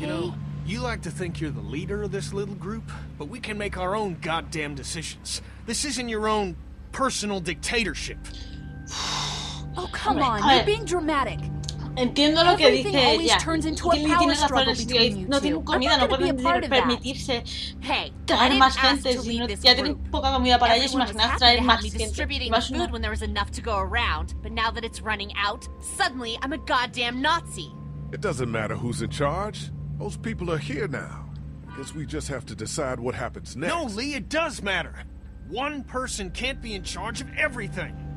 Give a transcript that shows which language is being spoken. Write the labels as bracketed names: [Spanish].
[English] You know, you like to think you're the leader of this little group, but we can make our own goddamn decisions. This isn't your own personal dictatorship. Oh, come on, you're being dramatic. [Spanish] Entiendo lo que dice ella. [English] Everything always turns into a power struggle between you two. [Spanish] No tienen comida, no pueden permitirse traer más gente. Ya tienen poca comida para ellos, imaginaos traer más gente. [English] Distributing food when there was enough to go around, but now that it's running out, suddenly I'm a goddamn Nazi. It doesn't matter who's in charge. Those people are here now. I guess we just have to decide what happens next. No, Lee, it does matter. One person can't be in charge of everything.